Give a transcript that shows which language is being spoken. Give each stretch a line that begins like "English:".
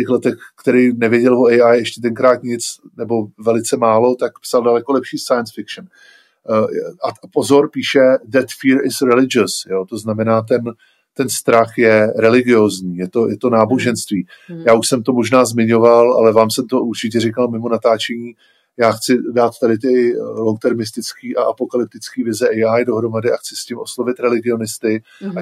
Czech: letech, který nevěděl o AI ještě tenkrát nic, nebo velice málo, tak psal daleko lepší science fiction. A pozor, píše,
English: that fear is religious.
Czech: Jo, to znamená, ten strach je religiózní, je to náboženství. Hmm. Já už jsem to možná zmiňoval, ale vám jsem to určitě říkal mimo natáčení. Já chci dát tady ty longtermistický a apokalyptický vize AI dohromady a chci s tím oslovit religionisty, mm-hmm.